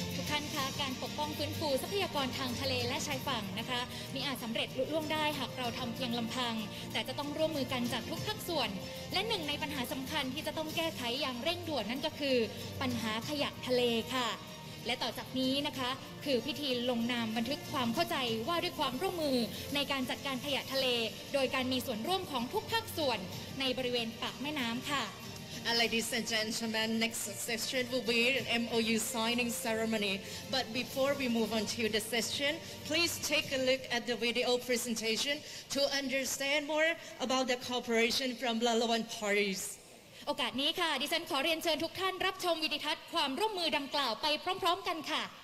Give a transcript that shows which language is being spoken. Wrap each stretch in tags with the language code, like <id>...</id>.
<th>ท่านคะการปกป้องฟื้นฟูทรัพยากรทางทะเลและชายฝั่งนะคะมิอาจสำเร็จลุล่วงได้หากเราทำเพียงลำพังแต่จะต้องร่วมมือกันจากทุกภาคส่วนและหนึ่งในปัญหาสำคัญที่จะต้องแก้ไขอย่างเร่งด่วนนั่นก็คือปัญหาขยะทะเลค่ะและต่อจากนี้นะคะคือพิธีลงนามบันทึกความเข้าใจว่าด้วยความร่วมมือในการจัดการขยะทะเลโดยการมีส่วนร่วมของทุกภาคส่วนในบริเวณปากแม่น้ำค่ะ</th> <en>Ladies and gentlemen, next session will be an MOU signing ceremony. But before we move on to the session, please take a look at the video presentation to understand more about the cooperation from Lalawan parties.</en> <th>โอกาสนี้ค่ะดิฉันขอเรียนเชิญทุกท่านรับชมวิดีทัศน์ความร่วมมือดังกล่าวไปพร้อมๆกันค่ะ</th>